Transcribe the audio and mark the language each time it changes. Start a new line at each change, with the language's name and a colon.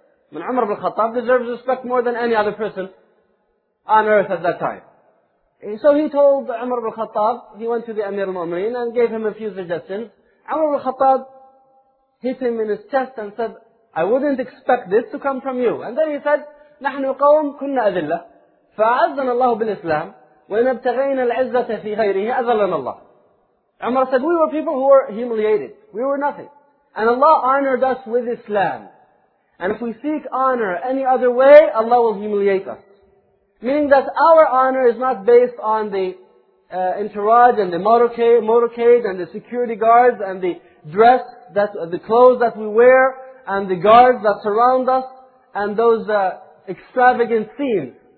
English: When Umar ibn Khattab deserves respect more than any other person on earth at that time. So he told Umar ibn Khattab, he went to the Amir al-Mu'mineen and gave him a few suggestions. Umar ibn Khattab hit him in his chest and said, I wouldn't expect this to come from you. And then he said,
Arabic: نحن قوم كنا أذلة فأعزنا الله بالإسلام وإن ابتغينا العزة في غيره أذلنا الله.
English: Umar said, we were people who were humiliated. We were nothing. And Allah honored us with Islam. And if we seek honor any other way, Allah will humiliate us. Meaning that our honor is not based on the entourage and the motorcade and the security guards and the dress, the clothes that we wear and the guards that surround us and those extravagant scenes.